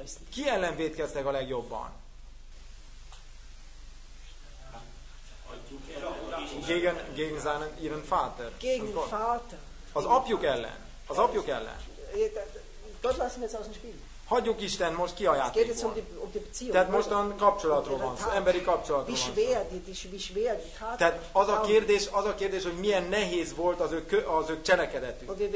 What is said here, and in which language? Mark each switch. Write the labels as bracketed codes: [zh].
[hu] Ki ellen vétkeztek a legjobban? [de] Gegen seinen, ihren Vater. Gegen den Vater. [hu] Az apjuk ellen. [de] Gott lassen wir jetzt aus dem Spiel. [hu] Hagyjuk Istent most ki a játékból. Tehát mostan kapcsolatról van szó, emberi kapcsolatról van szó. Tehát az a kérdés, hogy milyen nehéz volt az ő cselekedetük.